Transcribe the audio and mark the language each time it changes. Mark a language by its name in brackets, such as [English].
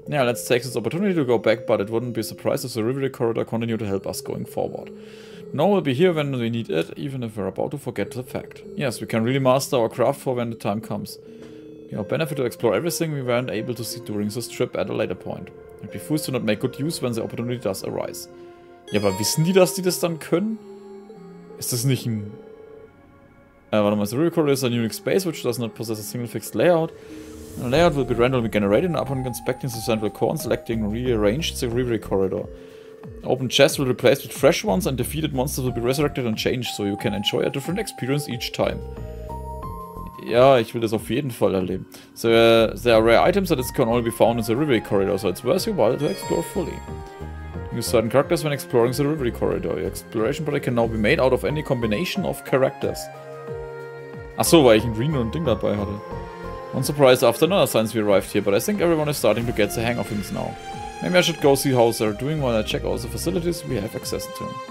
[English] Yeah, let's take this opportunity to go back, but it wouldn't be a surprise if the Reverie Corridor continued to help us going forward. No, we'll be here when we need it, even if we're about to forget the fact. Yes, we can really master our craft for when the time comes. We have benefit to explore everything we weren't able to see during this trip at a later point. It'd be foolish to not make good use when the opportunity does arise. [German] Ja, aber wissen die, dass die das dann können? Ist das nicht ein... warte mal, [English] the recorder is a unique space which does not possess a single fixed layout. The layout will be randomly generated upon inspecting the central core and selecting rearranged the Reverie Corridor. Open chests will be replaced with fresh ones and defeated monsters will be resurrected and changed, so you can enjoy a different experience each time. [German] Ja, ich will das auf jeden Fall erleben. [English] So, there are rare items that can only be found in the Reverie Corridor, so it's worth your while to explore fully. Use certain characters when exploring the Reverie Corridor. Your exploration party can now be made out of any combination of characters. [German] Achso, weil ich ein Green und Ding dabei hatte. [English] One surprise after another since we arrived here, but I think everyone is starting to get the hang of things now. Maybe I should go see how they're doing while I check all the facilities we have access to.